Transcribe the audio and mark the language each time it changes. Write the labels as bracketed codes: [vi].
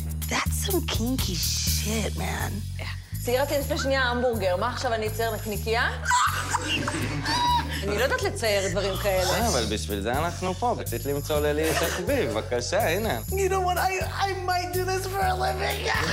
[en] That's some kinky shit, man. [he] ציירתי לפני שנייה המבורגר. מה עכשיו אני אצייר נקניקייה? אני לא יודעת לצייר דברים כאלה. כן, אבל בשביל זה אנחנו פה. רצית למצוא ללי את החביב. בבקשה, הנה. [en] You know what? I might do this for a living.